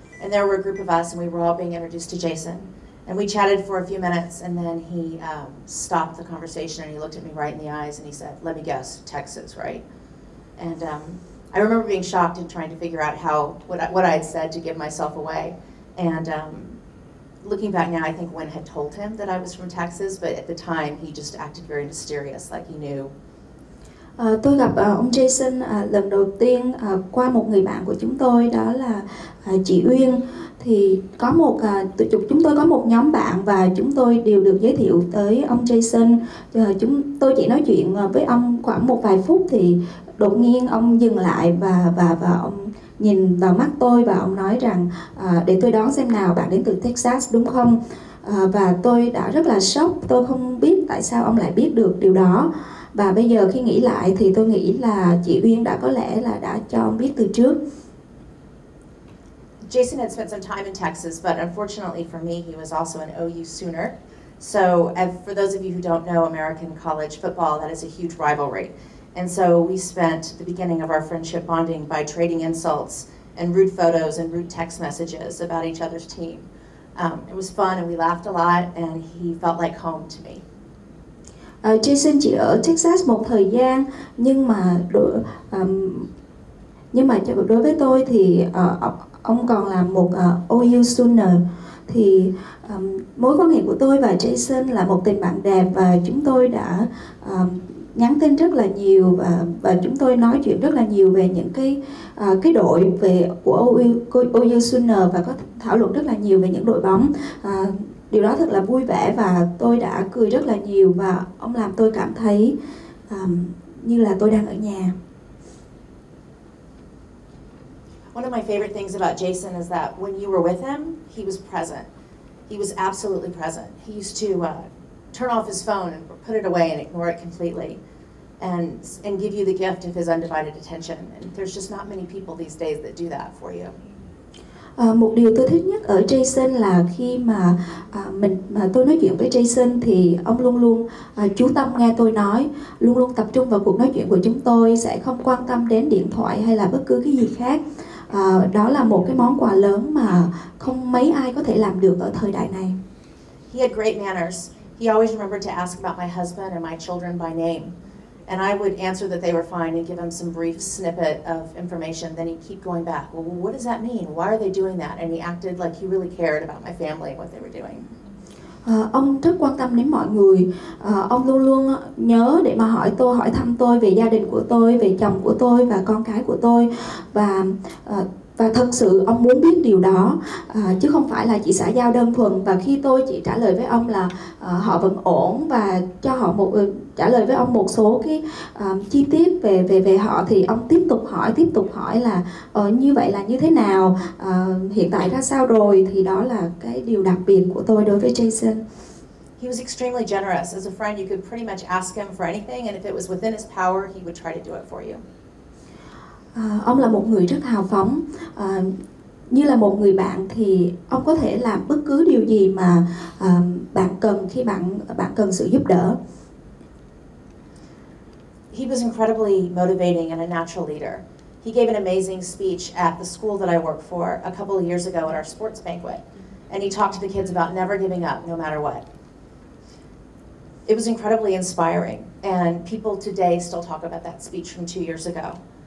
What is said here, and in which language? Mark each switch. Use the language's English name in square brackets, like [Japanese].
[English] And there were a group of us, and we were all being introduced to Jason. And we chatted for a few minutes, and then he stopped the conversation, and he looked at me right in the eyes, and he said, "Let me guess, Texas, right?" And I remember being shocked and trying to figure out what I had said to give myself away. And looking back now, I think Wen had told him that I was from Texas, but at the time, he just acted very mysterious, like he knew. [Vietnamese] Tôi gặp ông Jason lần đầu tiên qua một người bạn của chúng tôi, đó là chị Uyên. Thì có một chúng tôi có một nhóm bạn và chúng tôi đều được giới thiệu tới ông Jason. Chúng tôi chỉ nói chuyện với ông khoảng một vài phút thì đột nhiên ông dừng lại và ông nhìn vào mắt tôi và ông nói rằng để tôi đoán xem nào, bạn đến từ Texas đúng không? Và tôi đã rất là sốc, tôi không biết tại sao ông lại biết được điều đó. Và bây giờ khi nghĩ lại thì tôi nghĩ là chị Uyên đã có lẽ là đã cho ông biết từ trước. [English] Jason had spent some time in Texas, but unfortunately for me, he was also an OU Sooner. So for those of you who don't know American college football, that is a huge rivalry. And so we spent the beginning of our friendship bonding by trading insults and rude photos and rude text messages about each other's team. It was fun and we laughed a lot, and he felt like home to me. [Vietnamese] Jason chỉ ở Texas một thời gian, nhưng mà đối với tôi thì ông còn là một OU Sooner. Thì mối quan hệ của tôi và Jason là một tình bạn đẹp, và chúng tôi đã nhắn tin rất là nhiều và chúng tôi nói chuyện rất là nhiều về những cái đội về của OU Sooner, và có thảo luận rất là nhiều về những đội bóng. Điều đó thật là vui vẻ và tôi đã cười rất là nhiều, và ông làm tôi cảm thấy như là tôi đang ở nhà. [English] One of my favorite things about Jason is that when you were with him, he was present. He was absolutely present. He used to turn off his phone and put it away and ignore it completely and give you the gift of his undivided attention. And there's just not many people these days that do that for you. [Vietnamese] Một điều tôi thích nhất ở Jason là khi mà tôi nói chuyện với Jason thì ông luôn luôn chú tâm nghe tôi nói, luôn luôn tập trung vào cuộc nói chuyện của chúng tôi, sẽ không quan tâm đến điện thoại hay là bất cứ cái gì khác. Đó là một cái món quà lớn mà không mấy ai có thể làm được ở thời đại này. [English] He had great manners. He always remembered to ask about my husband and my children by name. And I would answer that they were fine and give him some brief snippet of information. Then he'd keep going back. Well, what does that mean? Why are they doing that? And he acted like he really cared about my family and what they were doing. [Vietnamese] Ông rất quan tâm đến mọi người. Ông luôn luôn nhớ để mà hỏi thăm tôi về gia đình của tôi, về chồng của tôi và con cái của tôi. Và thật sự ông muốn biết điều đó, chứ không phải là chỉ xã giao đơn thuần. Và khi tôi chỉ trả lời với ông là họ vẫn ổn và cho họ một trả lời với ông một số cái chi tiết về họ, thì ông tiếp tục hỏi là như vậy là như thế nào, hiện tại ra sao rồi. Thì đó là cái điều đặc biệt của tôi đối với Jason. [English] He was extremely generous. As a friend, you could pretty much ask him for anything, and if it was within his power, he would try to do it for you. [Vietnamese] Ông là một người rất hào phóng. Như là một người bạn thì ông có thể làm bất cứ điều gì mà bạn cần khi bạn cần sự giúp đỡ. [English] He was incredibly motivating and a natural leader. He gave an amazing speech at the school that I work for a couple of years ago at our sports banquet. And he talked to the kids about never giving up no matter what. It was incredibly inspiring, and people today still talk about that speech from 2 years ago.